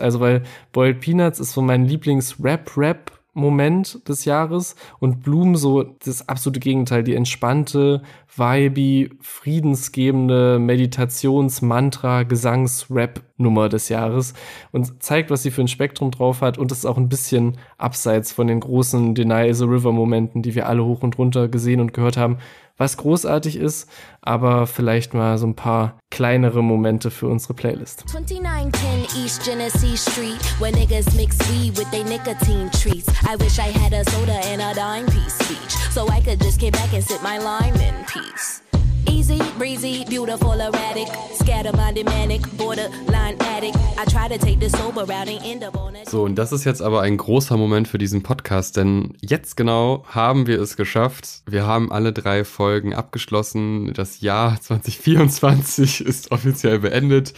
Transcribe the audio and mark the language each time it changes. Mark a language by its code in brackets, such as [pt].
[de] Also weil Boiled Peanuts ist so mein Lieblings-Rap-Rap Moment des Jahres und Bloom so das absolute Gegenteil, die entspannte, vibey, friedensgebende Meditations-Mantra-Gesangs-Rap-Nummer des Jahres und zeigt, was sie für ein Spektrum drauf hat und ist auch ein bisschen abseits von den großen Deny is a River-Momenten, die wir alle hoch und runter gesehen und gehört haben, was großartig ist, aber vielleicht mal so ein paar kleinere Momente für unsere Playlist. [en] 2910 East Genesee Street, where niggas mix weed with they nicotine treats. I wish I had a soda and a dime piece speech, so I could just get back and sit my lime in peace. Easy, breezy, beautiful, erratic, scatter-minded, manic, borderline addict. I try to take this sober route and end up on a... [de] So, und das ist jetzt aber ein großer Moment für diesen Podcast, denn jetzt genau haben wir es geschafft. Wir haben alle drei Folgen abgeschlossen. Das Jahr 2024 ist offiziell beendet.